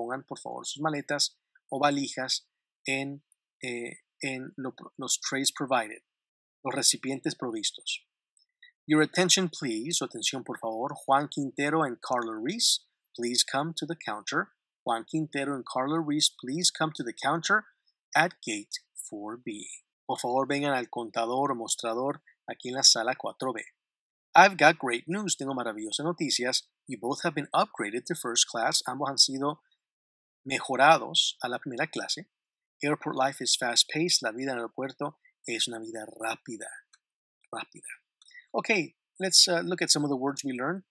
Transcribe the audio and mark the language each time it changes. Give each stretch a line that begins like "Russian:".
Spanish: Pongan por favor sus maletas o valijas en los
English: trays provided,
Spanish: los recipientes provistos.
English: Your attention please,
Spanish: su atención por favor.
English: Juan Quintero and Carla Reese, please come to the counter. Juan Quintero and Carla Reese, please come to the counter at gate 4B.
Spanish: Por favor, vengan al contador o mostrador aquí en la sala 4B.
English: I've got great news.
Spanish: Tengo maravillosas noticias.
English: You both have been upgraded to first class.
Spanish: Ambos han sido mejorados a la primera clase.
English: Airport life is fast-paced.
Spanish: La vida en el aeropuerto es una vida rápida. Rápida.
English: Okay, let's look at some of the words we learned.